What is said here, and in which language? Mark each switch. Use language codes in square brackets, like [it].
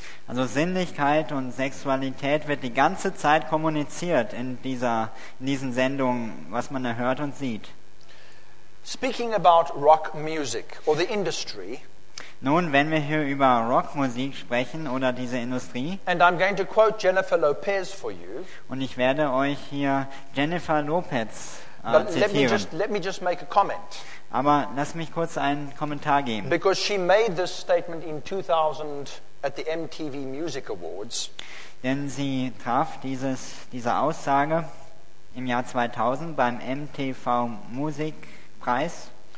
[de] Also Sinnlichkeit und Sexualität wird die ganze Zeit kommuniziert in diesen Sendungen, was man da hört und sieht. [en] Speaking about rock music or the industry. [de] Nun, wenn wir hier über Rockmusik sprechen oder diese Industrie. [en] And I'm going to quote Jennifer Lopez for you. [de] Und ich werde euch hier Jennifer Lopez zitieren. [en] Let me just make a comment. [de] Aber lass mich kurz einen Kommentar geben. [en] Because she made this statement in 2000 at the MTV Music Awards. [de] Denn sie traf diese Aussage im Jahr 2000 beim MTV Musikpreis.